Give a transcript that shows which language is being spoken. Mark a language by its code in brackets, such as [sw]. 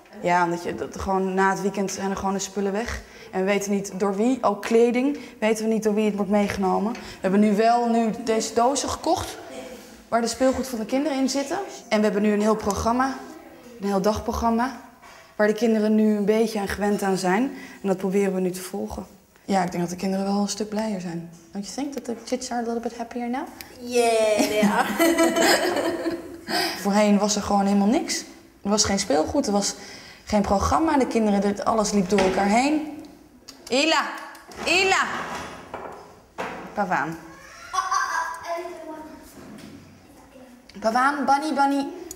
[nl] Ja, omdat je dat gewoon na het weekend zijn er gewoon de spullen weg. En we weten niet door wie, ook kleding, weten we niet door wie het wordt meegenomen. We hebben nu deze dozen gekocht, waar de speelgoed van de kinderen in zitten. En we hebben nu een heel programma, een heel dagprogramma, waar de kinderen nu een beetje aan gewend aan zijn. En dat proberen we nu te volgen. Ja, ik denk dat de kinderen wel een stuk blijer zijn. [en] Don't you think that the kids are a little bit happier now? Yeah, yeah. [nl] Voorheen was er gewoon helemaal niks. Er was geen speelgoed, er was geen programma. De kinderen, alles liep door elkaar heen. Ila! Ila! Pavaan. Pavaan, bunny, bunny.